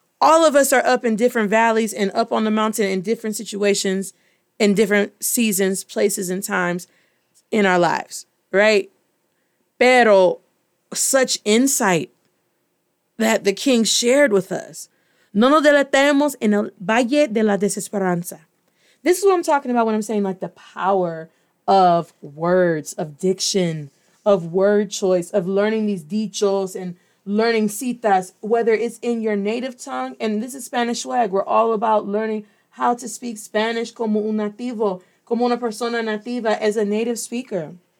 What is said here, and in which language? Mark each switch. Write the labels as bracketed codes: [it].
[en] All of us are up in different valleys and up on the mountain in different situations, in different seasons, places, and times in our lives, right? Pero such insight that the king shared with us. [es] No nos deletemos en el valle de la desesperanza. [en] This is what I'm talking about when I'm saying like the power of words, of diction, of word choice, of learning these dichos and learning citas, whether it's in your native tongue, and this is Spanish swag. We're all about learning how to speak Spanish como un nativo, como una persona nativa, as a native speaker.